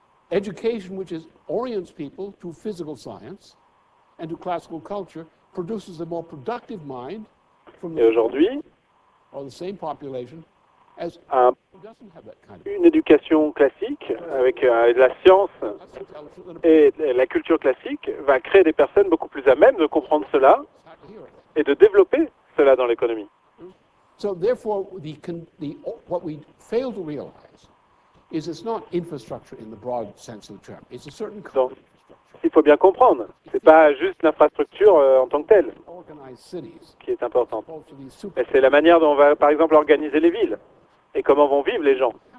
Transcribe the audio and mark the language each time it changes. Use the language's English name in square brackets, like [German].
[English] Education, which is orients people to physical science and to classical culture, produces a more productive mind from the same population as doesn't have that kind of [French] une éducation classique avec la science et la culture classique va créer des personnes beaucoup plus à même de comprendre cela et de développer cela dans l'économie. [English] So therefore the what we fail to realize is it's not infrastructure in the broad sense of the term, it's a certain kind of. [French] Il faut bien comprendre, ce n'est pas juste l'infrastructure en tant que telle qui est importante. Mais c'est la manière dont on va, par exemple, organiser les villes et comment vont vivre les gens.